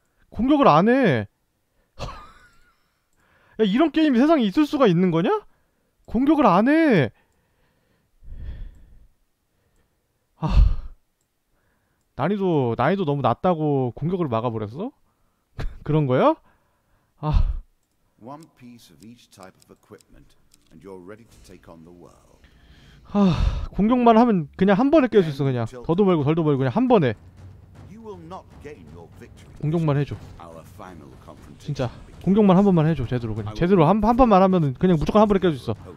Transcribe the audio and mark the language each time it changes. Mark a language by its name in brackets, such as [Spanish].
[Korean] 공격을 안 해. 야, 이런 게임이 세상에 있을 수가 있는 거냐? 공격을 안 해. 아, 난이도 너무 낮다고 공격을 막아버렸어? 그런 거야? 아. [English] One piece of each type of equipment, and you're ready to take on the world. [Korean] 아, 공격만 하면 그냥 한 번에 깰 수 있어 그냥. 더도 말고 덜도 말고 그냥 한 번에. [English] You will not gain your victory. [Korean] 공격만 해줘. 진짜 공격만 한 번만 해줘 제대로 그냥. 제대로 한 번만 하면은 그냥 무조건 한 번에 깰 수 있어.